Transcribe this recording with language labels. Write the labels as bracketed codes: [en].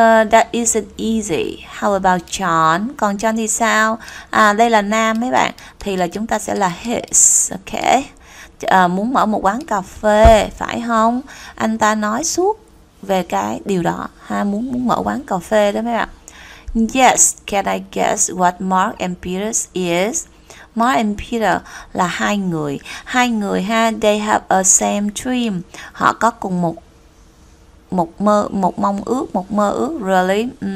[en] That isn't easy. How about John? [vi] Còn John thì sao? Đây là nam mấy bạn, thì là chúng ta sẽ là his. Ok, muốn mở một quán cà phê phải không? Anh ta nói suốt về cái điều đó ha, muốn mở quán cà phê đó mấy bạn. [en] Yes, can I guess what Mark and Peter is? [vi] Mark and Peter là hai người ha. [en] They have a same dream. [vi] Họ có cùng một mơ ước. [en] Really?